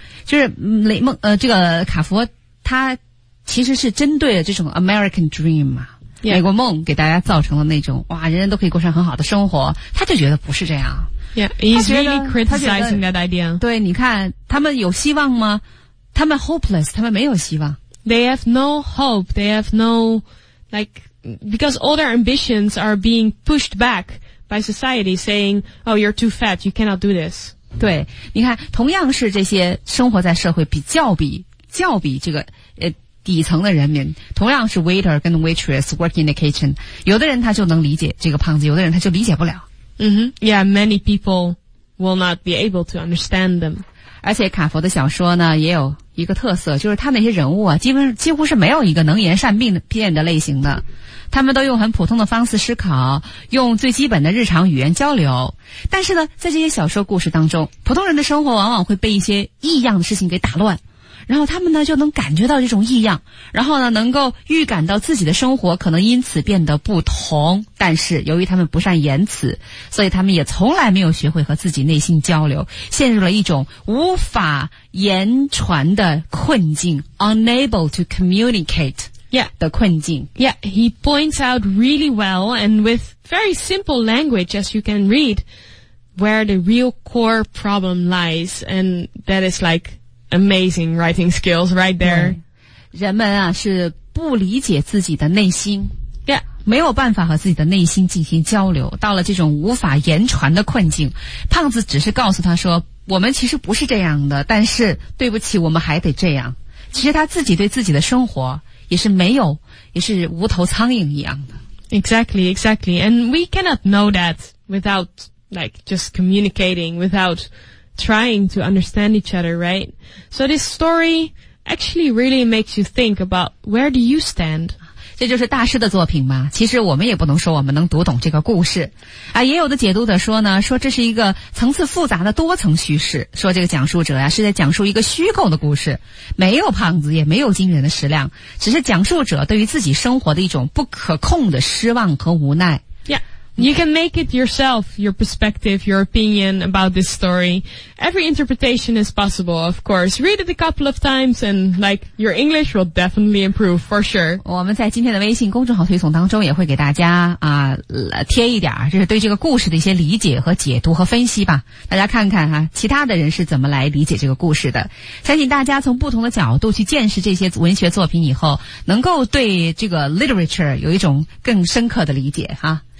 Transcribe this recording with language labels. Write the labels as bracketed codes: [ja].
[zh] 就是雷蒙，这个卡佛他其实是针对了这种 [en] American Dream [zh] 嘛、 [en] yeah. [zh] 美国梦给大家造成了那种哇人人都可以过上很好的生活，他就觉得不是这样。 [en] Yeah, he's really criticizing that idea. [zh] 对，你看他们有希望吗？他们 hopeless, 他们没有希望。 [en] They have no hope, they have no, like, because all their ambitions are being pushed back by society saying, oh, you're too fat, you cannot do this. [zh] 对，你看同样是这些生活在社会比较这个底层的人民，同样是 waiter 跟 waitress [en] work in the kitchen, [zh] 有的人他就能理解这个胖子，有的人他就理解不了。 Mm-hmm. [en] Yeah, many people will not be able to understand them. [zh] 而且卡佛的小说呢也有一个特色，就是他那些人物啊几乎是没有一个能言善辩的类型的，他们都用很普通的方式思考，用最基本的日常语言交流。但是呢在这些小说故事当中，普通人的生活往往会被一些异样的事情给打乱，然后他们呢就能感觉到这种异样，然后呢能够预感到自己的生活可能因此变得不同，但是由于他们不善言辞，所以他们也从来没有学会和自己内心交流，陷入了一种无法言传的困境， [en] unable to communicate、 yeah. [zh] 的困境。 [en] Yeah, he points out really well and with very simple language as you can read where the real core problem lies, and that is likeAmazing writing skills right there. [zh] 人们啊是不理解自己的内心、 [en] yeah. [zh] 没有办法和自己的内心进行交流，到了这种无法言传的困境。胖子只是告诉他说，我们其实不是这样的，但是对不起，我们还得这样。其实他自己对自己的生活也是无头苍蝇一样的。 [en] Exactly, exactly. And we cannot know that without like just communicating, withoutTrying to understand each other, right? So this story actually really makes you think about where do you stand? [zh] 这就是大师的作品嘛。其实我们也不能说我们能读懂这个故事。啊，也有的解读的说呢，说这是一个层次复杂的多层叙事，说这个讲述者啊是在讲述一个虚构的故事，没有胖子也没有惊人的食量，只是讲述者对于自己生活的一种不可控的失望和无奈。 [en] Yeah. You can make it yourself, your perspective, your opinion about this story. Every interpretation is possible, of course. Read it a couple of times and like your English will definitely improve for sure. [zh] 我们在今天的微信公众号推送当中也会给大家贴一点就是对这个故事的一些理解和解读和分析吧。大家看看其他的人是怎么来理解这个故事的。相信大家从不同的角度去见识这些文学作品以后，能够对这个 literature 有一种更深刻的理解啊。